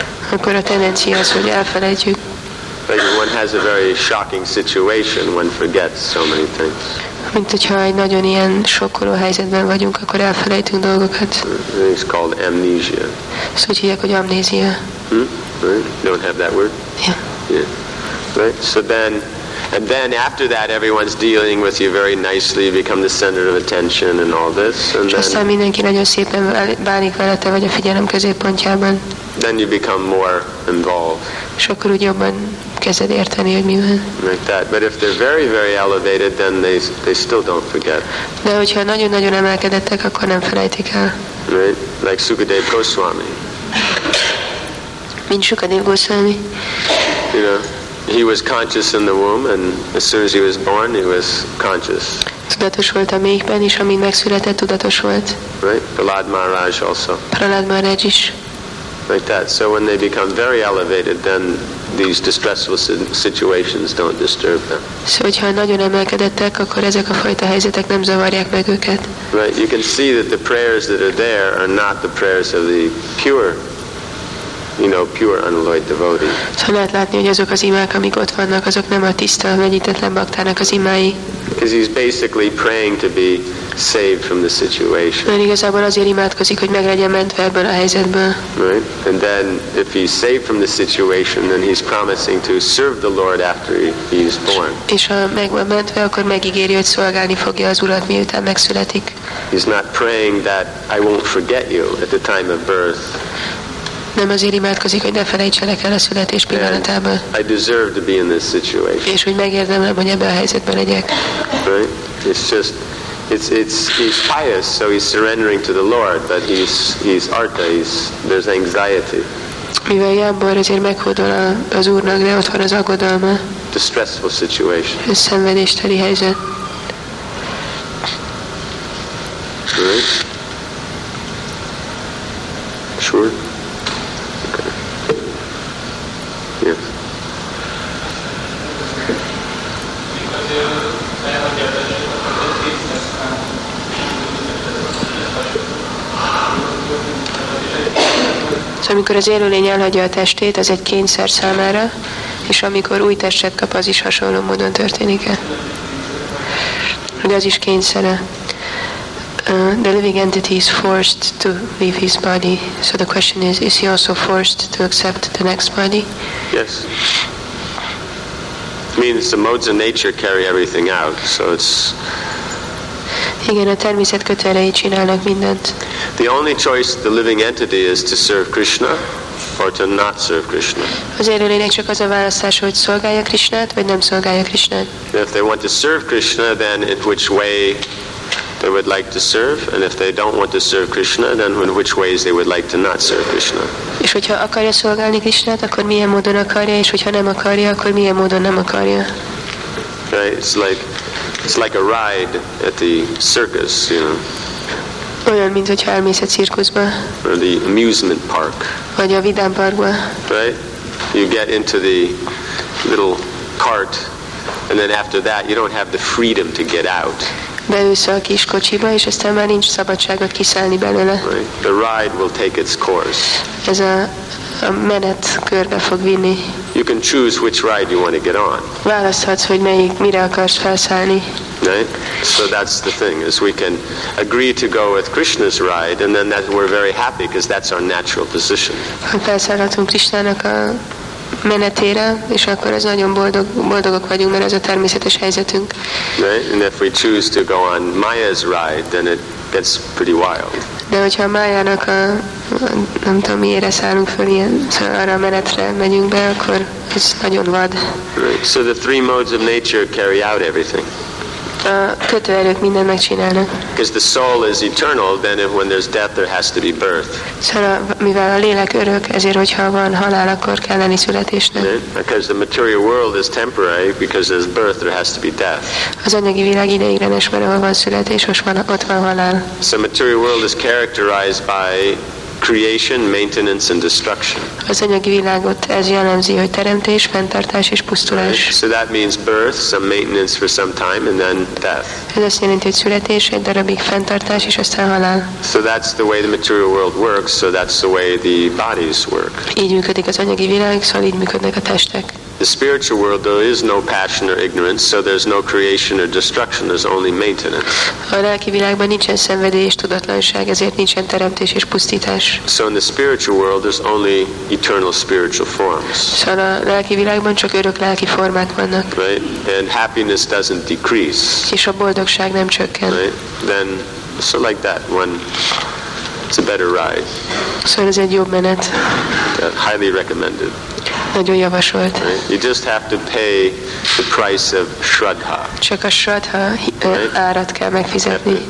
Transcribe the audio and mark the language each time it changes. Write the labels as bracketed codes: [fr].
[hu] Akkor a tendencia az, hogy elfelejtjük. [en] Like one has a very shocking situation, one forgets so many things. [hu] Mint hogyha egy nagyon ilyen sokkoló helyzetben vagyunk, akkor elfelejtünk dolgokat. [en] It's called amnesia. [hu] Szóval hívják, hogy amnézia. [en] right? You don't have that word? Yeah. Yeah. Right? So then, and then after that, everyone's dealing with you very nicely, you become the center of attention and all this. And [hu] aztán mindenki nagyon szépen bánik velete, vagy a figyelem középpontjában. [en] Then you become more involved. [hu] És akkor úgy jobban kezded érteni, hogy mi van. [en] Like that. But if they're very, very elevated, then they still don't forget. [hu] De hogyha nagyon-nagyon emelkedettek, akkor nem felejtik el. [en] Right? Like Sukadev Goswami. [hu] Mint Sukadev Goswami. [en] You know? He was conscious in the womb, and as soon as he was born, he was conscious. [hu] Tudatos volt a méhben, és amint megszületett, tudatos volt. [en] Right, Prahlad Maharaj also. [hu] Prahlad Maharaj is. [en] Like that. So when they become very elevated, then these distressful situations don't disturb them. [hu] Szóval, hogyha nagyon emelkedettek, akkor ezek a fajta helyzetek nem zavarják meg őket. [en] Right, you can see that the prayers that are there are not the prayers of the pure. You know, pure unalloyed devotee. [hu] So lehet látni, hogy azok az imák, amik ott vannak, azok nem a tiszta, mennyitetlen baktának az imái. [en] Because he's basically praying to be saved from the situation. [hu] Mert igazából azért imádkozik, hogy meg legyen mentve ebből a helyzetből. [en] Right? And then, if he's saved from the situation, then he's promising to serve the Lord after he's born. [hu] És ha meg van mentve, akkor megígéri, hogy szolgálni fogja az Urat, miután megszületik. [en] He's not praying that I won't forget you at the time of birth. [hu] Nem azért imádkozik, hogy ne felejtselek el a születés pillanatában. [en] I deserve to be in this situation. [hu] És hogy megérdemlem, hogy ebben a helyzetben legyek. [en] Right? It's just, he's pious, so he's surrendering to the Lord, but he's artha, there's anxiety. [hu] Mivel jámbor, ezért meghódol az Úrnak, de ott van az aggodalma. [en] Distressful situation. [hu] Ez szenvedésteli helyzet. [en] Right? Sure? [hu] Amikor az élőlény elhagyja a testét, az egy kényszer számára, és amikor új testet kap, az is hasonló módon történik-e? De az is kényszere. [en] The living entity is forced to leave his body. So the question is he also forced to accept the next body? Yes. I mean, it's the modes of nature carry everything out, so it's... [hu] Igen, a természet kötelei csinálnak mindent. [en] The only choice the living entity is to serve Krishna or to not serve Krishna. [hu] Az élőlénynek csak az a választása, hogy szolgálja Krishnát, vagy nem szolgálja Krishnát. [en] If they want to serve Krishna, then in which way they would like to serve, and if they don't want to serve Krishna, then in which ways they would like to not serve Krishna. [hu] És hogyha akarja szolgálni Krishnát, akkor milyen módon akarja, és hogyha nem akarja, akkor milyen módon nem akarja. [en] Right, it's like a ride at the circus, you know. [hu] Olyan, mint hogyha elmész a cirkuszba. [en] Or the amusement park. [hu] Vagy a vidám parkba. [en] Right? You get into the little cart, and then after that, you don't have the freedom to get out. [hu] Beülsz a kis kocsiba, és aztán már nincs szabadságot kiszállni belőle. [en] Right? The ride will take its course. [hu] Ez a menet körbe fog vinni. [en] You can choose which ride you want to get on. [hu] Választhatsz, hogy melyik, mire akarsz felszállni. [en] Right? So that's the thing, is we can agree to go with Krishna's ride, and then that we're very happy, because that's our natural position. [hu] Ha felszállhatunk Krishnának a menetére, és akkor az nagyon boldogok vagyunk, mert ez a természetes helyzetünk. [en] Right? And if we choose to go on Maya's ride, then it gets pretty wild. [hu] De hogyha Mayának a, nem tudom miért szállunk föl ilyen, szóval arra a menetre megyünk be, akkor ez nagyon vad. [en] Right. So the three modes of nature carry out everything. [hu] A kötőerők mindent megcsinálnak. [en] Because the soul is eternal, then if, when there's death, there has to be birth. [hu] Szóval, mivel a lélek örök, ezért hogyha van halál, akkor kell lenni születésnek. [en] Right? Because the material world is temporary, because there's birth, there has to be death. [hu] Az anyagi világ ideiglenes, mert ahol van születés, most van, ott van halál. [en] So material world is characterized by creation, maintenance and destruction. [hu] Az anyagi világot ez jellemzi, hogy teremtés, fenntartás és pusztulás. [en] Right? So that means birth, some maintenance for some time and then death. [hu] Ez azt jelenti, hogy születés, egy darabig fenntartás és aztán halál. [en] So that's the way the material world works, so that's the way the bodies work. [hu] Így működik az anyagi világ, szóval így működnek a testek. [en] the spiritual world there is no passion or ignorance, so there's no creation or destruction, there's only maintenance. [hu] A lelki világban nincsen szenvedély és tudatlanság, ezért nincsen teremtés és pusztítás. [en] So in the spiritual world there's only eternal spiritual forms. [hu] So a lelki világban csak örök lelki formák vannak. [en] Right? And happiness doesn't decrease. [hu] És a boldogság nem csökken. [en] Right? Then so like that one. It's a better ride. [hu] So ez egy jobb menet. [en] Highly recommended. [hu] Nagyon javasolt. [en] Right? You just have to pay the price of shraddha. [hu] Csak a shraddha árat kell megfizetni.